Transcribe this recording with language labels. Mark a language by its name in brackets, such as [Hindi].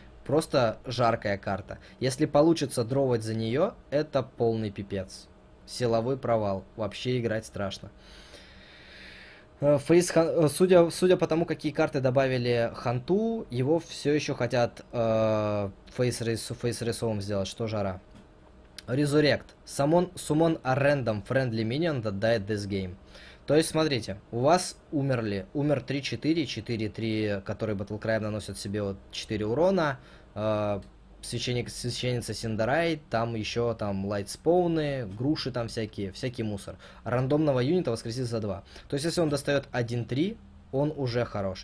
[Russian] Просто жаркая карта. Если получится дровать за нее, это полный пипец. Силовой провал. Вообще играть страшно. Судя по тому, какие карты добавили ханту, его все еще хотят фейс-рейсовым сделать, что жара. Резурект. [English] Summon a random friendly minion that died this game. [Russian] То есть, смотрите, у вас умерли. Умер 3-4, 4-3, который Battlecry наносит себе вот 4 урона. Священница Синдарай, там еще там лайтспоуны, груши там всякие, всякий мусор. Рандомного юнита воскресит за 2. То есть, если он достает 1-3, он уже хорош.